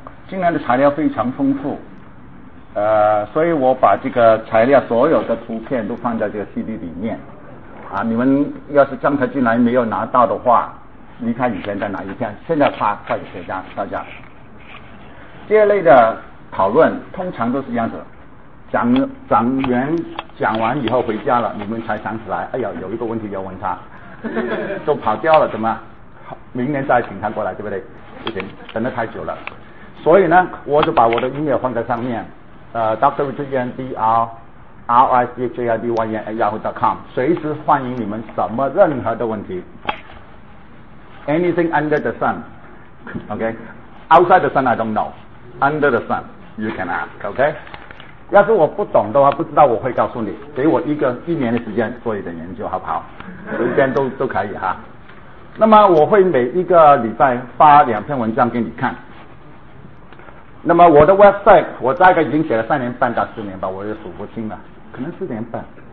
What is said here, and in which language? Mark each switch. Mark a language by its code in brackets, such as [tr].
[zh] 今天的材料非常丰富，所以我把这个材料所有的图片都放在这个 CD 里面啊，你们要是刚才进来没有拿到的话，离开以前再拿一片，现在发快给大家。这类的讨论通常都是这样子，讲员讲完以后回家了，你们才想起来，哎呀，有一个问题要问他，都跑掉了，怎么？明年再请他过来，对不对？不行，等得太久了。所以呢，我就把我的 email 放在上面，Dr. Richard Yan, DRRICHARD1N@yahoo.com， 随时欢迎你们什么任何的问题 ， [en] anything under the sun，OK，outside the sun I don't know，under the sun you can ask， [zh] OK。要是我不懂的话，不知道我会告诉你，给我一年的时间做一点研究，好不好？时间都可以哈。那么我会每一个礼拜发两篇文章给你看。那么我的 website 我大概已经写了3年半到4年吧，我也数不清了，可能4年半。